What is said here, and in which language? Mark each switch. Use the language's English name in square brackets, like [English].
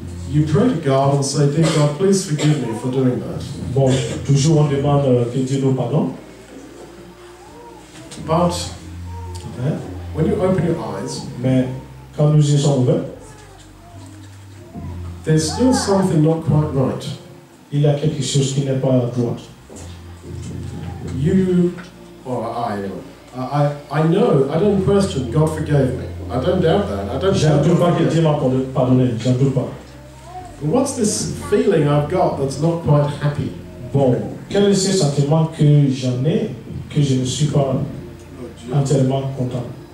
[English] You pray to God and say, dear God, please forgive me for doing that. [French] Bon, toujours on demande que Dieu nous pardonne. [English] But when you open your eyes, [French] mais quand nos yeux sont ouverts, [English] there's still something not quite right. [French] Il y a quelque chose qui n'est pas droit. [English] You, or I know, I don't question, God forgave me. I don't doubt that. I don't [French] doubt pas que Dieu m'a pardonné. J'en doute pas. [English] What's this feeling I've got that's not quite happy? [French] Bon, quel est ce sentiment que j'en ai, que je ne suis pas entièrement content?